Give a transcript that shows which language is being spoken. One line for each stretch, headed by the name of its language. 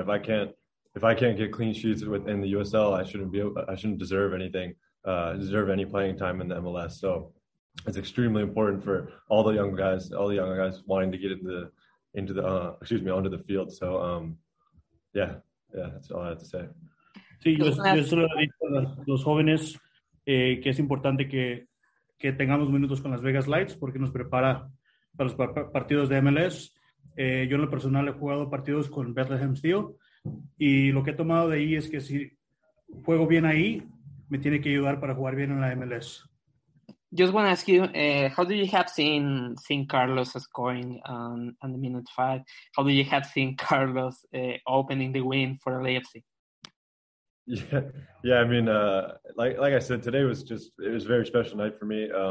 English: If I can't get clean sheets within the USL, I shouldn't deserve any playing time in the MLS. So it's extremely important for all the young guys wanting to get onto the field. So, that's all I have to say.
Spanish: Sí, yo solo he dicho a los jóvenes que es importante que tengamos minutos con Las Vegas Lights porque nos prepara para los partidos de MLS. Yo en lo personal he jugado partidos con Bethlehem Steel y lo que he tomado de ahí es que si juego bien ahí, me tiene que ayudar para jugar bien en la MLS.
English: Just want to ask you, how do you have seen Carlos scoring on the minute 5? How do you have seen Carlos opening the win for LAFC? Yeah, I mean, like I said, today was just, it was a very special night for me.